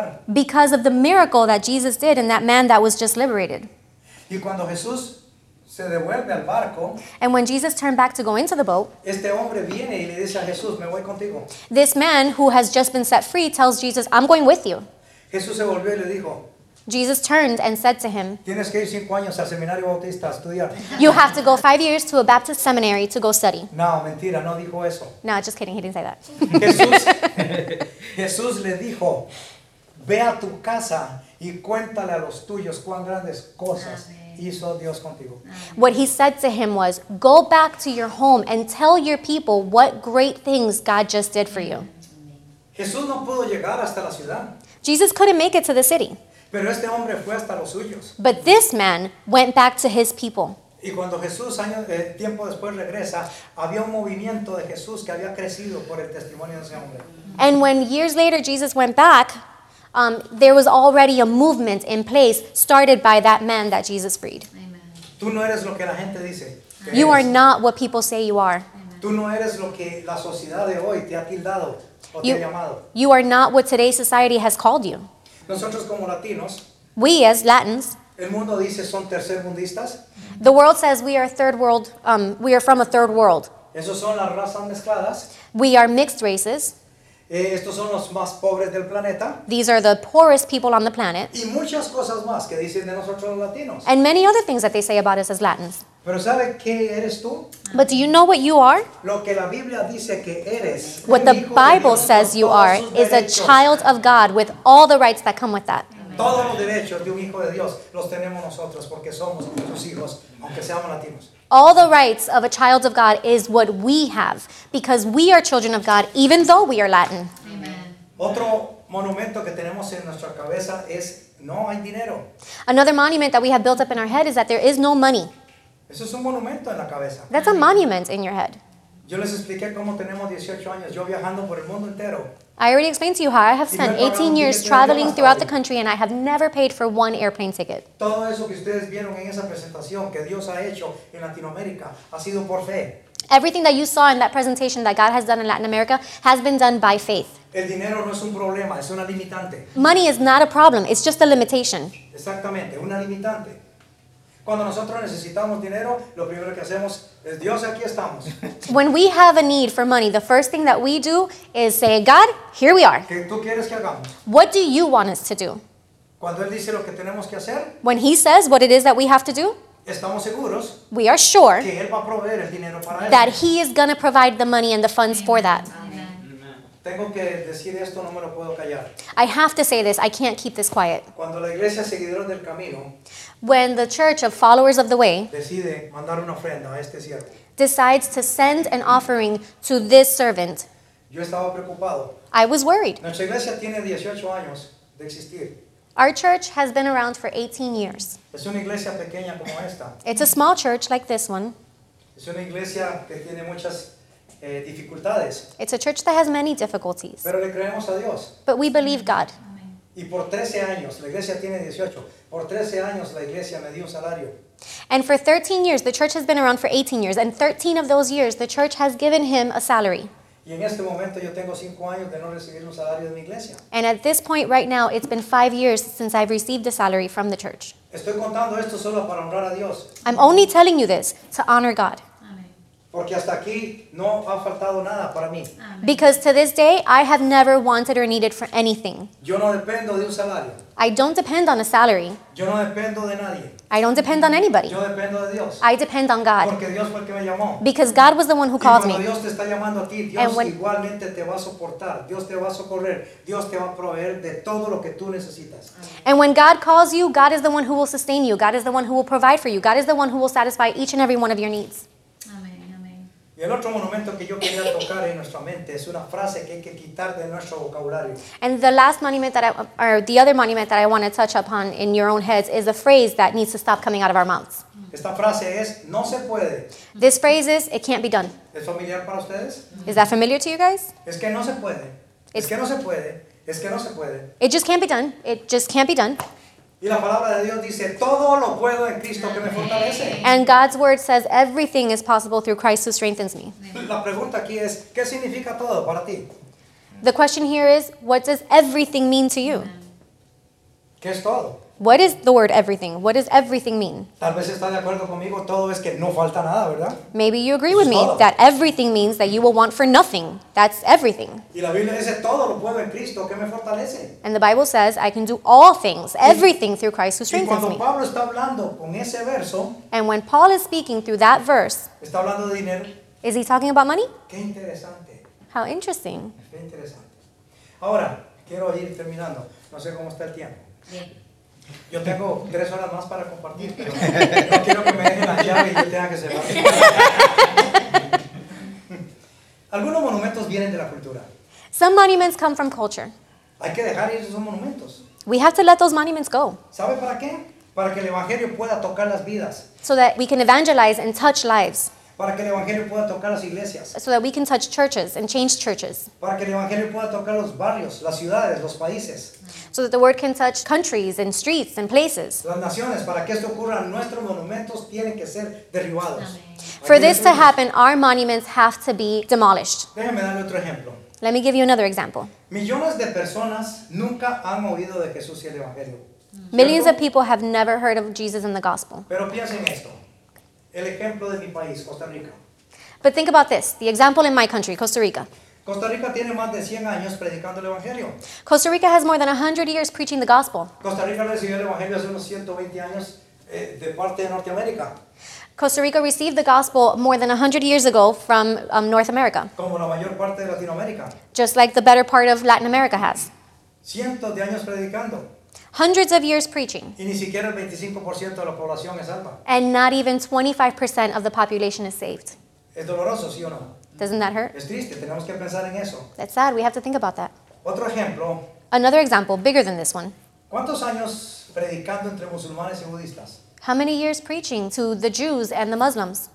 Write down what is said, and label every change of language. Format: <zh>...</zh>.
<en>Because of the miracle that Jesus did and that man that was just liberated.</en> <es>Y cuando Jesús se devuelve al barco,</es> <en>and when Jesus turned back to go into the boat,</en> <es>este hombre viene y le dice a Jesús, me voy contigo.</es> <en>This man who has just been set free tells Jesus, I'm going with you.</en> <es>Jesús se volvió y le dijo,</es> <en>Jesus turned and said to him,</en> <es>tienes que ir 5 años al seminario bautista a estudiar.</es> <en>You have to go 5 years to a Baptist seminary to go study.</en> <es>No, mentira, no dijo eso.</es> <en>No, just kidding, he didn't say that.</en> <es>Jesús le dijo, ve a tu casa y cuéntale a los tuyos cuán grandes cosas hizo Dios contigo.</es> <en>What he said to him was, go back to your home and tell your people what great things God just did for you.</en> <es>Jesús no pudo llegar hasta la ciudad.</es> <en>Jesus couldn't make it to the city.</en> <es>Pero este hombre fue hasta los suyos.</es> <en>But this man went back to his people.</en> <es>Y cuando Jesús tiempo después regresa, había un movimiento de Jesús que había crecido por el testimonio de ese hombre.</es> <en>And when years later Jesus went back, there was already a movement in place started by that man that Jesus freed. Amen.</en> <es>Tú no eres lo que la gente dice.</es> <en>You</en> <es>eres.</es> <en>Are not what people say you are.</en> <es>Amen. Tú no eres lo que la sociedad de hoy te ha tildado o te ha llamado.</es> <en>You are not what today's society has called you.</en> <es>Nosotros como latinos,</es> <en>we as Latins,</en> <es>el mundo dice son tercermundistas.</es> <en>The world says we are third world, we are from a third world.</en> <es>Esos son las razas mezcladas.</es> <en>We are mixed races.</en> <es>Estos son los más pobres del planeta.</es> <en>These are the poorest people on the planet.</en> <es>Y muchas cosas más que dicen de nosotros los latinos.</es> <en>And many other things that they say about us as Latins.</en> <es>Pero ¿sabe qué eres tú?</es> <en>But do you know what you are?</en> <es>Lo que la Biblia dice que eres.</es> <en>What the Bible says you are is a child of God with all the rights that come with that.</en> <es>Todos los derechos de un hijo de Dios los tenemos nosotros porque somos sus hijos, aunque seamos latinos.</es> <en>All the rights of a child of God is what we have because we are children of God even though we are Latin. Amen.</en> <es>Otro monumento que tenemos en nuestra cabeza es no hay dinero.</es> <en>Another monument that we have built up in our head is that there is no money.</en> <es>Eso es un monumento en la cabeza.</es> <en>That's a monument in your head.</en> <es>Yo les expliqué cómo tenemos 18 años, yo viajando por el mundo entero.</es> <en>I already explained to you how I have spent 18 years traveling throughout the country and I have never paid for one airplane ticket.</en> <es>Todo eso que ustedes vieron en esa presentación que Dios ha hecho en Latinoamérica ha sido por fe.</es> <en>Everything that you saw in that presentation that God has done in Latin America has been done by faith.</en> <es>El dinero no es un problema, es una limitante.</es> <en>Money is not a problem, it's just a limitation.</en> <es>Exactamente, una limitante. Cuando nosotros necesitamos dinero, lo primero que hacemos es Dios, aquí estamos.</es> <en>When we have a need for money, the first thing that we do is say, God, here we are.</en> <es>¿Qué tú quieres que hagamos?</es> <en>What do you want us to do?</en> <es>Cuando él dice lo que tenemos que hacer,</es> <en>when he says what it is that we have to do,</en> <es>estamos seguros,</es> <en>we are sure</en> <es>que él va a proveer el dinero para</es> <en>that</en> <es>él.</es> <en>He is going to provide the money and the funds Amen. For that.</en> <es>Tengo que decir esto, no me lo puedo callar.</es> <en>I have to say this. I can't keep this quiet.</en> <es>Cuando la iglesia seguidores del camino,</es> <en>when the church of followers of the way</en> <es>decide mandar una ofrenda a este siervo,</es> <en>decides to send an offering to this servant,</en> <es>yo estaba preocupado.</es> <en>I was worried.</en> <es>Nuestra iglesia tiene 18 años de existir.</es> <en>Our church has been around for 18 years.</en> <es>Es una iglesia pequeña como esta.</es> <en>It's a small church like this one.</en> <es>Es una iglesia que tiene muchas dificultades.</es> <en>It's a church that has many difficulties.</en> <es>Pero le creemos a Dios.</es> <en>But we believe God.</en> <es>Y por 13 años, la iglesia tiene 18. Por 13 años, la iglesia me dio un salario.</es> <en>And for 13 years, the church has been around for 18 years. And 13 of those years, the church has given him a salary.</en> <es>Y en este momento, yo tengo 5 años de no recibir un salario de mi iglesia.</es> <en>And at this point right now, it's been 5 years since I've received a salary from the church.</en> <es>Estoy contando esto solo para honrar a Dios.</es> <en>I'm only telling you this to honor God.</en> <es>Porque hasta aquí no ha faltado nada para mí. Amen.</es> <en>Because to this day, I have never wanted or needed for anything.</en> <es>Yo no dependo de un salario.</es> <en>I don't depend on a salary.</en> <es>Yo no dependo de nadie.</es> <en>I don't depend on anybody.</en> <es>Yo dependo de Dios.</es> <en>I depend on God.</en> <es>Porque Dios fue el que me llamó.</es> <en>Because God was the one who</en> <es>y</es> <en>called me.</en> <es>Dios te está llamando a ti, Dios</es> <en>and when,</en> <es>igualmente te va a soportar. Dios te va a socorrer. Dios te va a proveer de todo lo que tú necesitas.</es> <en>And when God calls you, God is the one who will sustain you. God is the one who will provide for you. God is the one who will satisfy each and every one of your needs.</en> <es>Y el otro monumento que yo quería tocar en nuestra mente es una frase que hay que quitar de nuestro vocabulario.</es> <en>And the last monument that I, or the other monument that I want to touch upon in your own heads is a phrase that needs to stop coming out of our mouths.</en> <es>Esta frase es, no se puede.</es> <en>This phrase is, it can't be done.</en> <es>¿Es familiar para ustedes?</es> <en>Is that familiar to you guys?</en> <es>Es que no se puede. Es que no se puede. Es que no se puede.</es> <en>It just can't be done. It just can't be done.</en> <es>Y la palabra de Dios dice, todo lo puedo en Cristo que me fortalece.</es> <en>And God's word says, everything is possible through Christ who strengthens me.</en> <es>La pregunta aquí es, ¿qué significa todo para ti?</es> <en>The question here is, what does everything mean to you?</en> <es>¿Qué es todo?</es> <en>What is the word everything? What does everything mean?</en> <es>Tal vez está de acuerdo conmigo, todo es que no falta nada, ¿verdad?</es> <en>Maybe you agree with me that everything means that you will want for nothing. That's everything.</en> <es>Y la Biblia dice, todo lo puedo en Cristo que me fortalece.</es> <en>And the Bible says, I can do all things, everything through Christ who strengthens</en> <es>me. Y cuando Pablo está hablando con ese verso,</es> <en>and when Paul is speaking through that verse,</en> <es>está hablando de dinero.</es> <en>Is he talking about money?</en> <es>Qué interesante.</es> <en>How interesting.</en> <es>Qué interesante. Ahora, quiero ir terminando. No sé cómo está el tiempo. Bien. Yo tengo 3 horas más para compartir, pero no quiero que me dejen las llaves y yo tenga que cerrar. Algunos monumentos vienen de la cultura.</es> <en>Some monuments come from culture.</en> <es>Hay que dejar ir esos monumentos.</es> <en>We have to let those monuments go.</en> <es>¿Sabe para qué? Para que el evangelio pueda tocar las vidas.</es> <en>So that we can evangelize and touch lives.</en> <es>Para que el evangelio pueda tocar las iglesias.</es> <en>So that we can touch churches and change churches.</en> <es>Para que el evangelio pueda tocar los barrios, las ciudades, los países.</es> <en>So that the word can touch countries and streets and places.</en> <es>Las naciones, para que esto ocurra, nuestros monumentos tienen que ser derribados.</es> <en>For this to happen, our monuments have to be demolished.</en> <es>Déjame darle otro ejemplo.</es> <en>Let me give you another example.</en> <es>Millones de personas nunca han oído de Jesús y el evangelio.</es> <en>Millions of people have never heard of Jesus and the gospel.</en> <es>Pero piensen esto. El ejemplo de mi país, Costa Rica.</es> <en>But think about this. The example in my country, Costa Rica.</en> <es>Costa Rica tiene más de 100 años predicando el evangelio.</es> <en>Costa Rica has more than 100 years preaching the gospel.</en> <es>Costa Rica recibió el evangelio hace unos 120 años de parte de Norteamérica.</es> <en>Costa Rica received the gospel more than 100 years ago from North America.</en> <es>Como la mayor parte de Latinoamérica.</es> <en>Just like the better part of Latin America has.</en> <es>Cientos de años predicando.</es> <en>Hundreds of years preaching.</en> <es>Y ni siquiera el 25% de la población es salva.</es> <en>And not even 25% of the population is saved.</en> <es>Es doloroso, ¿sí o no?</es> <en>Doesn't that hurt?</en> <es>Es triste, tenemos que pensar en eso.</es> <en>It's sad, we have to think about that.</en> <es>Otro ejemplo.</es> <en>Another example, bigger than this one.</en> <es>¿Cuántos años predicando entre musulmanes y budistas?</es> <en>How many years preaching to the Jews and the Muslims?</en>